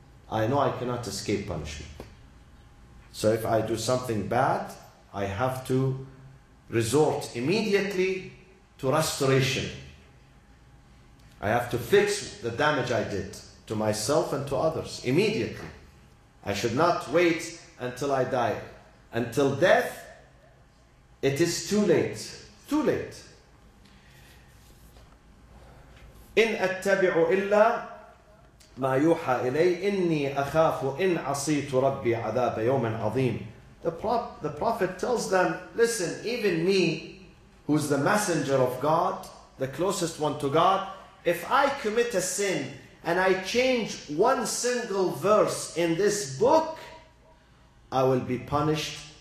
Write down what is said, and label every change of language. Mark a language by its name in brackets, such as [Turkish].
[English] I know I cannot escape punishment. So if I do something bad, I have to resort immediately to restoration. I have to fix the damage I did to myself and to others immediately. I should not wait until I die. Until death, it is too late. Too late. [Arabic] إن أتبعوا إلا ما يوحى إلي إني أخاف إن عصيت ربي عذاب يوم عظيم. [English] The Prophet tells them, listen, even me, who's the messenger of God, the closest one to God, if I commit a sin and I change one single verse in this book, I will be punished.